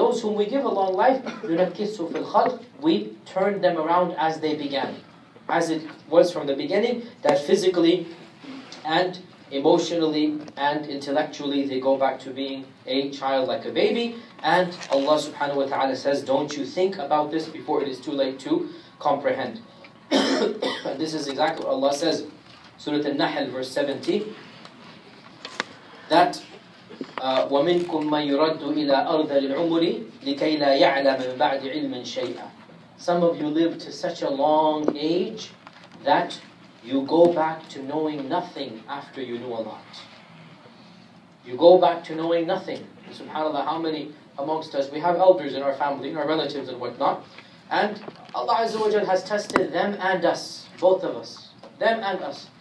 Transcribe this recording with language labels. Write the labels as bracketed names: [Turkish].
[English] Those whom we give a long life, [Arabic] نُنَكِسُ فِي الْخَلْقِ. [English] We turn them around as they began. As it was from the beginning, that physically and emotionally and intellectually they go back to being a child like a baby. And Allah subhanahu wa ta'ala says, don't you think about this before it is too late to comprehend. This is exactly what Allah says, Surah An-Nahl verse 70, that [Arabic] وَمِنْكُمْ مَنْ يُرَدُّ إِلَىٰ أَرْضَلِ الْعُمُرِ لِكَيْ لَا يَعْلَمَ بَعْدِ عِلْمٍ شَيْئًا. [English] Some of you live to such a long age that you go back to knowing nothing after you knew a lot. You go back to knowing nothing. SubhanAllah, how many amongst us, we have elders in our family, in our relatives and whatnot, and Allah Azza wa Jalla has tested them and us, both of us, them and us.